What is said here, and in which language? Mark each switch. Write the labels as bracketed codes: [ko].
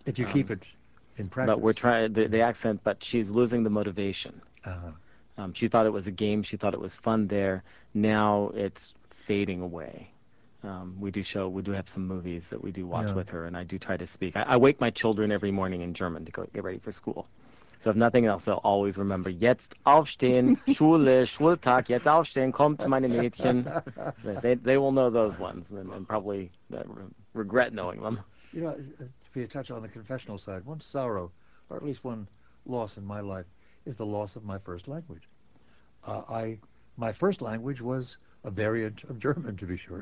[en] If you keep it in practice. But we're trying the accent, but she's losing the motivation. She thought it was a game. She thought it was fun there. Now it's fading away. We do have some movies that we do watch with her, and I do try to speak. I wake my children every morning in German to go get ready for school. So if nothing else, I'll always remember, [de] jetzt aufstehen, Schule, Schultag, jetzt aufstehen, kommt meine Mädchen. [en] They will know those ones and probably regret knowing them. You know, to be a touch on the confessional side, one sorrow, or at least one loss in my life, is the loss of my first language. My first language was a variant of German, to be sure.